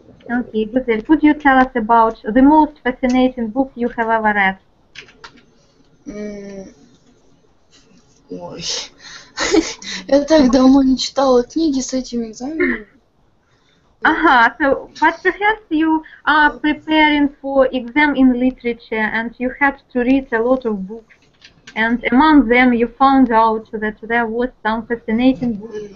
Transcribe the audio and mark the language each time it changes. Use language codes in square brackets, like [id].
[en] Okay, Gusel, could you tell us about the most fascinating book you have ever read? [ru] Ой, я так давно не читала книги с этим экзаменом. [en] Ага, so, but perhaps you are preparing for exam in literature and you had to read a lot of books. And among them you found out that there was some fascinating book.